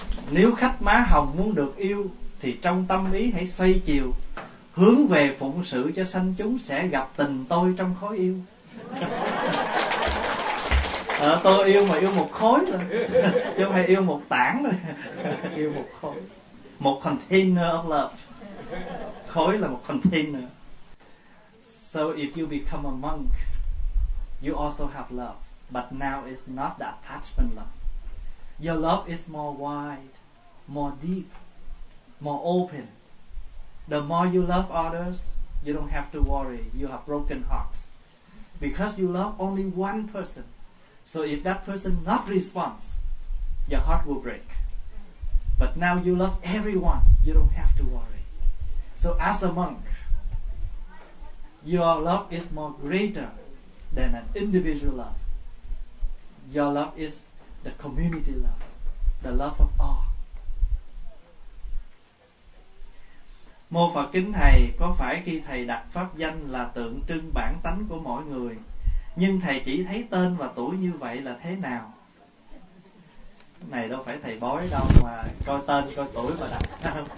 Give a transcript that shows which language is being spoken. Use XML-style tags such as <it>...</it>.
<vi>Nếu khách má hồng muốn được yêu thì trong tâm ý hãy xoay chiều, hướng về phụng sự cho sanh chúng, sẽ gặp tình tôi trong khối yêu. Tôi yêu mà yêu một khối rồi, chứ không phải yêu một tảng rồi. Yêu một khối, một</vi> <en>container of love.</en> <vi>Khối là một container.</vi> <en>So if you become a monk, you also have love, but now it's not the attachment love. Your love is more wide, more deep, more open. The more you love others, you don't have to worry you have broken hearts, because you love only one person. So if that person not responds, your heart will break. But now you love everyone, you don't have to worry. So as a monk, your love is more greater than an individual love. Your love is the community love, the love of all.</en> <vi>Mô Phật kính Thầy, có phải khi Thầy đặt pháp danh là tượng trưng bản tánh của mỗi người, nhưng Thầy chỉ thấy tên và tuổi như vậy là thế nào? Này đâu phải Thầy bói đâu mà coi tên coi tuổi mà đặt.</vi>